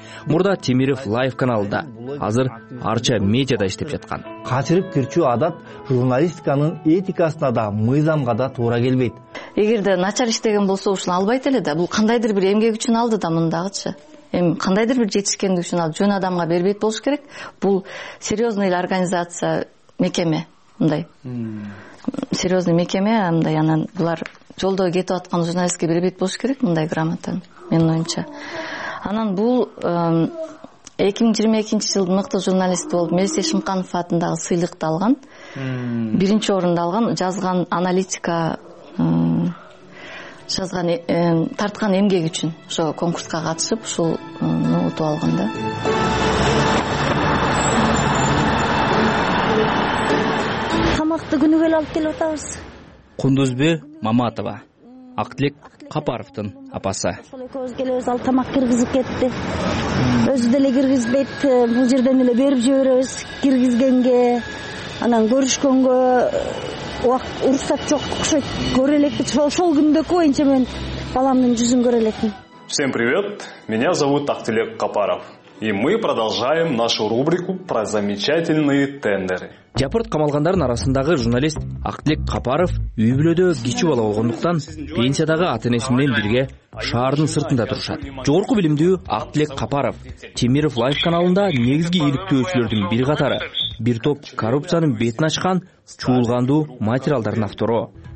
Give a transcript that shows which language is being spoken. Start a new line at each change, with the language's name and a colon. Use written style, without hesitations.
Kyrgyz: Мурда Темиров Лайв каналында, азыр Арча медиада иштеп жаткан. Качырып кирчү адат журналистиканын этикасына да, мыйзамга да туура келбейт. Эгерде начар иштеген болсо ушуну албайт эле да, бул кандайдыр бир эмгек үчүн алды да мындагычы. Эми кандайдыр бир жетишкендик үчүн алып, жөн адамга бербейт болуш керек. Бул серьёзный организация, мекеме. Мындай. Серьёзный мекеме, мындай анан булар жолдо кетип аткан журналистке бербейт болуш керек мындай грамотаны менин оюмча. Анан бул 2022 жылдын мыкты журналисти болуп Мелисе Шымканов атындагы сыйлыкты алган. Биринчи орунду алган, жазган аналитика жазган тарткан эмгеги үчүн ошо конкурска катышып ушул утуп алган да. Тамакты күнүгө эле алып келип атабыз. Кундузбү Маматова, Ак тилек Капаровдун апасы. Экөөбүз келебиз, ал тамак киргизип кетти. Өзү деле киргизбейт, бул жерден эле берип жиберебиз киргизгенге. Анан көрүшкөнгө убакыт уруксат жок, окшойт. Көрө элекпи, ошол күндө боюнча мен баламдын жүзүн көрө элекмин.
Russian: Всем привет. Меня зовут Актылек Капаров. И мы продолжаем нашу рубрику про замечательные тендеры.
Kyrgyz: Жапырт камалгандардын арасындагы журналист Актылек Капаров үй бүлөдө кичүү бала болгондуктан пенсиядагы ата-энеси менен бирге шаардын сыртында турушат. Жогорку билимдүү Актылек Капаров Темиров Лайф каналында негизги иликтөөчүлөрдүн бир катары, бир топ коррупциянын бетин ачкан чуулгандуу материалдардын автору.